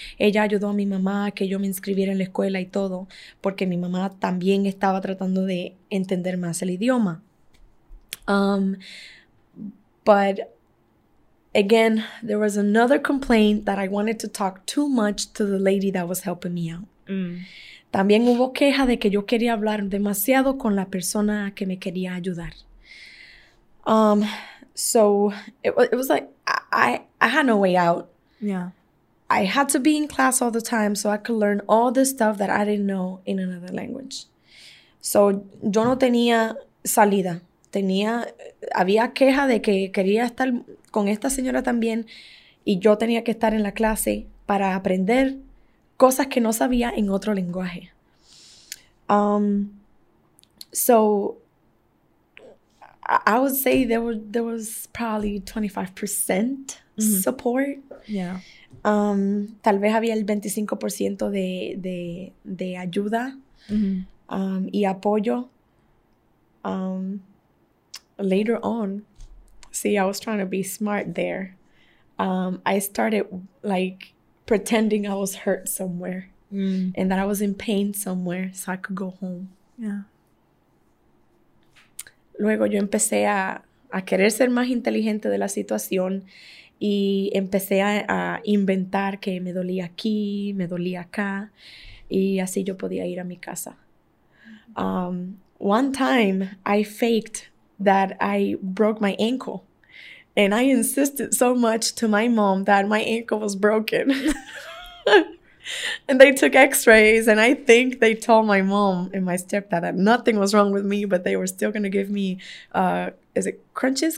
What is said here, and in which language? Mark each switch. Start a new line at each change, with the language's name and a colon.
Spanish: Ella ayudó a mi mamá que yo me inscribiera en la escuela y todo, porque mi mamá también estaba tratando de entender más el idioma.
English: But again, there was another complaint that I wanted to talk too much to the lady that was helping me out.
Spanish: También hubo queja de que yo quería hablar demasiado con la persona que me quería ayudar.
English: So it was like I had no way out. Yeah. I had to be in class all the time so I could learn all this stuff that I didn't know in another language.
Spanish: So yo no tenía salida. Había queja de que quería estar con esta señora también y yo tenía que estar en la clase para aprender cosas que no sabía en otro lenguaje.
English: So I would say there was probably 25% mm-hmm. support. Yeah.
Spanish: Tal vez había el 25% de ayuda mm-hmm. Y apoyo.
English: Later on, see, I was trying to be smart there. I started like pretending I was hurt somewhere and that I was in pain somewhere so I could go home. Yeah.
Spanish: Luego yo empecé a querer ser más inteligente de la situación y empecé a inventar que me dolía aquí, me dolía acá, y así yo podía ir a mi casa.
English: One time, I faked that I broke my ankle, and I insisted so much to my mom that my ankle was broken. And they took x-rays, and I think they told my mom and my stepdad that nothing was wrong with me, but they were still going to give me, clutches?